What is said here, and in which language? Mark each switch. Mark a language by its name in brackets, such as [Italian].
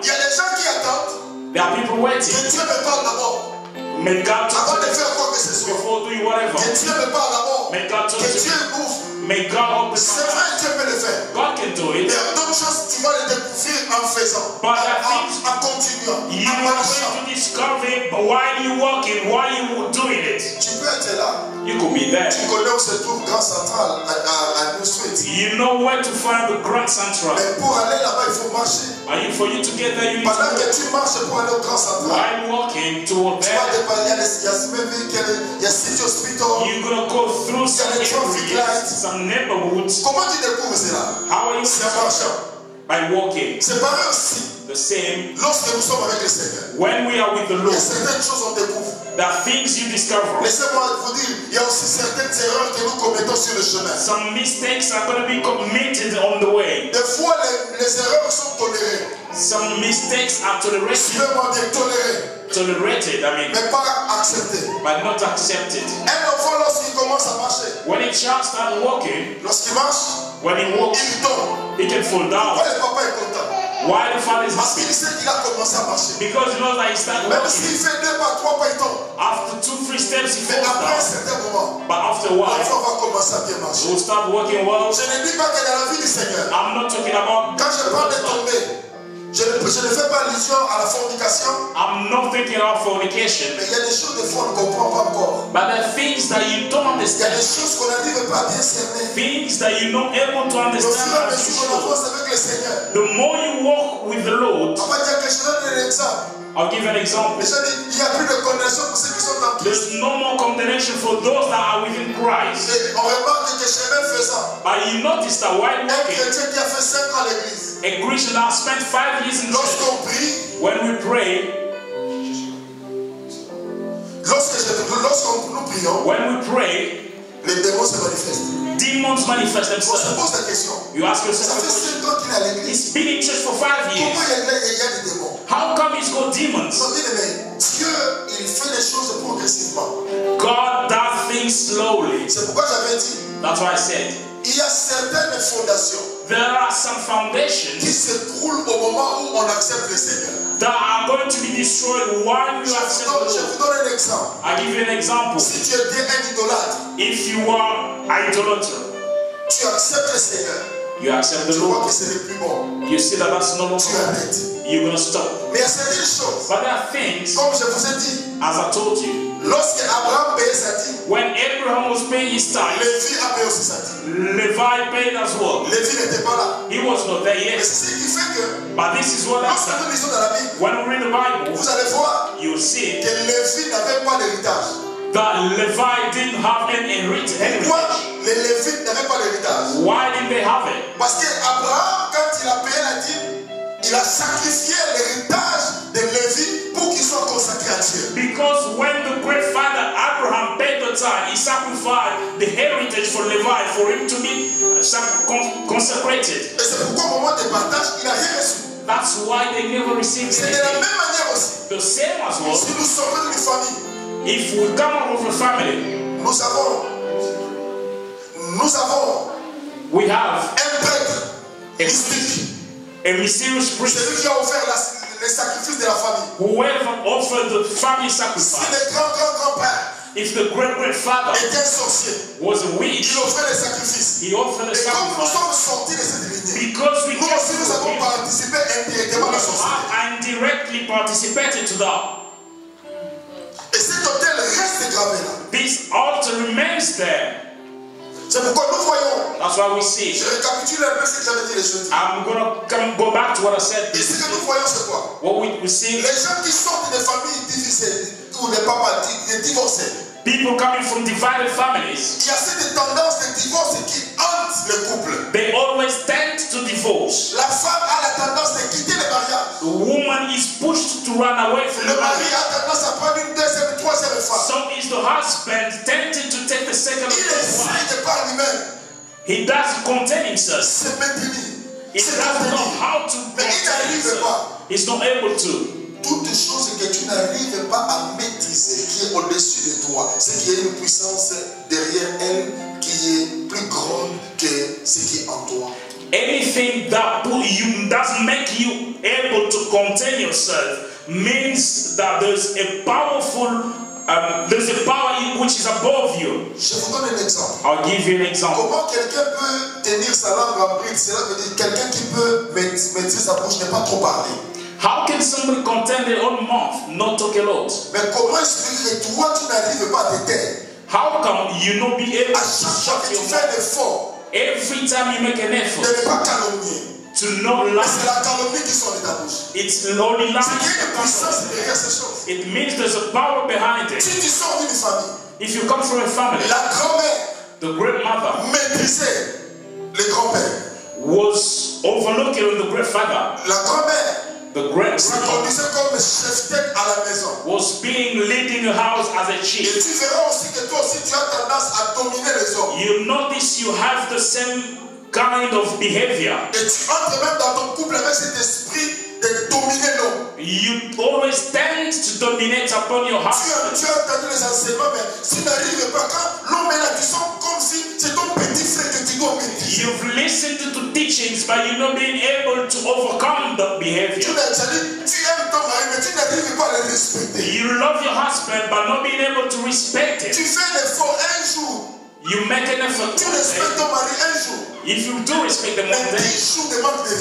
[French] Il y a des gens qui attendent. [English] There are people waiting. [French] Que Dieu me parle d'abord. [English] May God talk [French] avant de faire quoi que ce soit. [English] Before doing whatever. [French] Que Dieu me parle d'abord. [English] May God talk [French] que Dieu bouffe. [English] May God open the door. [French] C'est vrai, Dieu peut le faire. [English] God can do it. [French] Il y a d'autres choses que tu vas les découvrir en faisant. [English] But [French] en continuant. [English] You are going to discover it, but why are you walking? Why are you doing it? [French] Tu peux être là. [English] You could be there. [French] Tu connais où se trouve Grand Central à New Street. [English] You know where to find the Grand Central. [French] Mais pour aller là-bas, il faut marcher. [English] And for you to get there, you [French] pendant [English] need to. [French] Que tu marches pour aller au Grand Central. [English] While you walking toward there. [French] Tu vas dépasser les Yasmin, les City Hospital. [English] You're gonna go through some traffic lights. Neighborhoods. [French] Comment tu découvres cela? [English] How are you? [French] C'est marchant. [English] By walking. [French] C'est pareil aussi. [English] The same. [French] Lorsque nous sommes avec le Seigneur. [English] When we are with the Lord. [French] Il y a certaines choses qu'on découvre. [English] There are things you discover. [French] Laissez-moi vous dire, il y a aussi certaines erreurs que nous commettons sur le chemin. [English] Some mistakes are going to be committed on the way. [French] Des fois, les erreurs sont tolérées. [English] Some mistakes are tolerated. [French] Suivez-moi bien, tolérées. [English] Tolerated, I mean. [French] Mais pas accepté. [English] But not accepted. [French] Un enfant lorsqu'il commence à marcher. [English] When a child starts walking. [French] Lorsqu'il marche. [English] When he walks. [French] Il tombe. [English] He can fall down. [French] Pourquoi le papa est content? [English] Why the father is happy? [French] Parce qu'il sait qu'il a commencé à marcher. [English] Because he knows that he started walking. [French] Même s'il fait deux pas, trois pas, il tombe. [English] After two, three steps, he falls down. [French] Mais après un certain moment. [English] But after a while. [French] L'enfant va commencer à bien marcher. [English] He will start walking well. [French] Je ne dis pas que dans la vie du Seigneur. [English] I'm not talking about. [French] Quand je parle de tomber. Je ne fais pas allusion à la fornication. [English] I'm not thinking of fornication. [French] Mais il y a des choses des fois on ne comprend pas encore. [English] But the things that you don't understand. [French] Il y a des choses qu'on n'arrive pas à discerner. [English] Things that you're not able to understand. [French] Le plus on avance avec le Seigneur. [English] The more you walk with the Lord. [French] On va dire que je donne un exemple. [English] I'll give an example. [French] Il y a plus de condamnation pour ceux qui sont en Christ. [English] There's no more condemnation for those that are within Christ. [French] On remarque que chemin faisant. [English] But you notice that while walking. [French] Un chrétien qui a fait 5 ans à l'église. [English] A Christian that spent 5 years in church. [French] Lorsqu'on prie, [English] when we pray, [French] lorsqu'on nous prions, [English] when we pray, [French] les démons se manifestent. [English] Demons manifest themselves. [French] On se pose la question. [English] You ask yourself. [French] Ça fait 5 ans qu'il est à l'église. [English] He's been in church for 5 years. [French] Comment il y a des démons? [English] How come he's got demons? [French] Dieu, il fait les choses progressivement. [English] God does things slowly. [French] C'est pourquoi j'avais dit. [English] That's why I said. [French] Il y a certaines fondations. [English] There are some foundations [French] qui se coulent au moment où on accepte le Seigneur. [English] That are going to be destroyed while you accept the Lord. [French] Je vous donne un exemple. [English] I give you an example. [French] Si tu es un idolâtre, [English] if you are idolater, [French] tu acceptes le Seigneur. [English] You accept the [French] tu [English] Lord. [French] Vois que c'est le plus bon. [English] You see that that's normal. [French] Tu arrêtes. [English] You're gonna stop. [French] Mais il y a certaines choses. [English] But there are things. [French] Comme je vous ai dit. [English] As I told you. [French] Lorsque Abraham payait sa dîme. [English] When Abraham was paying his tithe. [French] Lévi a payé aussi sa dîme. [English] Levi paid as well. [French] Lévi n'était pas là. [English] He was not there yet. [French] Mais c'est ce qui fait que. [English] But this is what [French] lorsque nous lisons dans la Bible. [English] When we read the Bible. [French] Vous allez voir. [English] You'll see. [French] Que Lévi n'avait pas d'héritage. [English] That Levi didn't have any inheritance. [French] Pourquoi les Lévites n'avaient pas l'héritage? [English] Why didn't they have it? [French] Parce que Abraham, quand il a payé la dîme. Il a sacrifié l'héritage de Lévi pour qu'il soit consacré à Dieu. [English] Because when the great father Abraham paid the tithe, he sacrificed the heritage for Levi for him to be consecrated. [French] Et c'est pourquoi au moment du partage, il n'a rien reçu. [English] That's why they never received [French] c'est [English] anything. [French] C'est de la même manière aussi. [English] The same as well. [French] Si nous sommes une famille, [English] if we come out of a family, [French] nous avons, [English] we have [French] un prêtre, [English] a priest. A mysterious priest. [French] Celui qui a offert les sacrifices de la famille. [English] Whoever offered the family sacrifice. [French] Si le grand-père. [English] if the great-great-father [French] était sorcier, [English] was a witch, [French] il offrait les sacrifices. [English] He offered a [French] et [English] sacrifice. [French] Comme nous sommes sortis de cette lignée, [English] because we [French] nous aussi nous avons participé indirectement à la sorcellerie. [English] And directly participated to that. [French] Et cet hôtel reste gravé là. [English] This altar remains there. [French] C'est pourquoi nous voyons. [English] That's why we see. [French] Je récapitule un peu ce que j'avais dit les jeudi. [English] I'm gonna come go back to what I said. [French] Et ce que nous voyons c'est quoi? [English] What we see? [French] Les gens qui sortent des familles divisées ou des papas divorcés. [English] People coming from divided families. [French] Il y a cette tendance de divorce qui hante le couple. [English] They always tend to divorce. [French] La femme a la tendance de quitter le mariage. [English] The woman is pushed to run away from [French] le mari. A tendance à prendre une deuxième, troisième femme. [English] So is the husband tempted to take the second [French] il [English] wife? [French] De par lui-même. [English] He does contain himself. [French] C'est même lui. [English] He [French] c'est [English] does not know how to [French] mais il n'arrive [English] himself. [French] Pas. [English] He's not able to. [French] Toutes les choses que tu n'arrives pas à maîtriser qui est au-dessus de toi, c'est qu'il y a une puissance derrière elle qui est plus grande que ce qui est en toi. [English] Anything that put you that make you able to contain yourself means that there's a powerful there's a power which is above you. [French] Je vous donne un exemple. [English] I'll give you an example. [French] Comment quelqu'un peut tenir sa langue en bride? Cela veut dire quelqu'un qui peut maîtriser sa bouche, ne pas trop parler. [English] How can somebody contain their own mouth, not talk a lot? [French] Mais comment expliquer toi tu n'arrives pas à te taire? [English] How come you not be able [French] à chaque fois que tu fais un effort, [English] every time you make an effort, [French] de ne pas calomnier, [English] to not lie? [French] Mais c'est la calomnie qui sort de ta bouche. [English] It's lonely lies. [French] C'est qu'il y a une puissance derrière ces choses. [English] It means there's a power behind it. [French] Si tu sors d'une famille, [English] if you come from a family, [French] la grand-mère, [English] the grandmother, [French] maîtrisait le grand-père, [English] was overlooking the grandfather. [French] La grand-mère. [English] The great [French] comme chef [English] was being leading the house as a chief. [French] Et tu verras aussi que toi aussi tu as tendance à dominer les hommes. [English] You notice you have the same kind of behavior. [French] Et tu entres même dans ton couple avec cet esprit de dominer l'homme. [English] You always tend to dominate upon your husband. [French] Tu as entendu les enseignements, mais si tu n'arrives pas quand l'homme est là, tu sens comme si c'est ton petit frère que tu dois maîtriser. [English] You've listened to teachings, but you're not being able to overcome that behavior. You love your husband, but not being able to respect him. You make an effort. If you do respect the man,